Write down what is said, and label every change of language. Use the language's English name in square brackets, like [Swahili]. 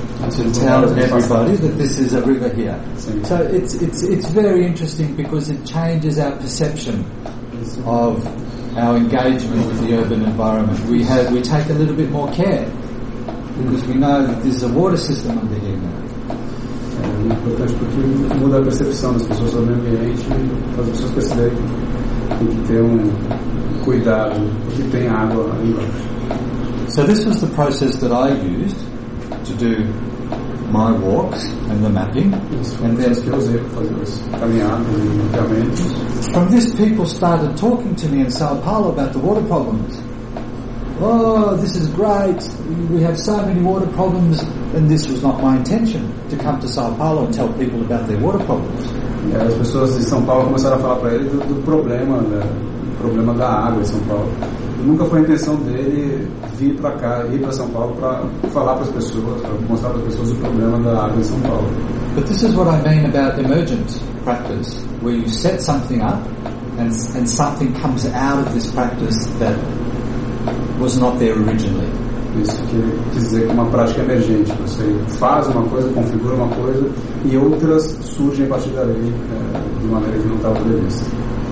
[English] To tell everybody that this is a river here. So it's very interesting because it changes our perception of our engagement with the urban environment. We take a little bit more care because we know that there's a water system under here now. [Portuguese] Importante porque muda a percepção das pessoas sobre o ambiente, as pessoas percebem que tem que ter um cuidado porque tem água ali embaixo. [English] So this was the process that I used to do my walks and the mapping. And then from this, people started talking to me in Sao Paulo about the water problems. Oh, this is great, we have so many water problems. And this was not my intention to come to Sao Paulo and tell people about their water problems. [Portuguese] As pessoas de São Paulo começaram a falar para ele do problema da água em São Paulo. Nunca foi a intenção dele vir para cá, ir para São Paulo para falar para as pessoas, para mostrar para as pessoas o problema da água em São Paulo. [English] But this is what I mean about emergent practice, where you set something up and something comes out of this practice that was not there originally. [Portuguese] Isso quer dizer que é uma prática emergente. Você faz uma coisa, configura uma coisa e outras surgem a partir dali de maneira que não estava prevista.